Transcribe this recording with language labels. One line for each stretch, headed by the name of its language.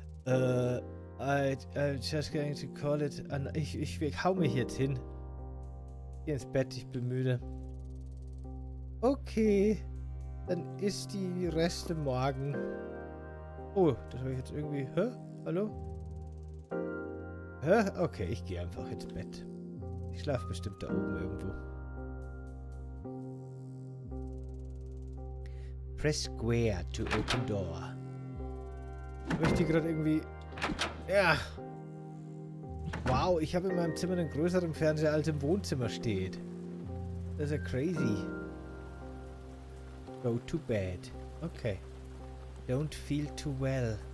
English: I'm just going to call it an...
German: Ich hau mich jetzt hin. Geh ins Bett, ich bin müde. Okay. Dann ist die Reste morgen. Oh, das habe ich jetzt irgendwie... Hä? Hallo? Hä? Okay, ich gehe einfach ins Bett. Ich schlafe bestimmt da oben irgendwo.
English: Press Square to open door.
German: Ich möchte gerade irgendwie... Ja! Wow, ich habe in meinem Zimmer einen größeren Fernseher, als im Wohnzimmer steht. Das ist ja
English: crazy. Go to bed. Okay. Don't feel too well.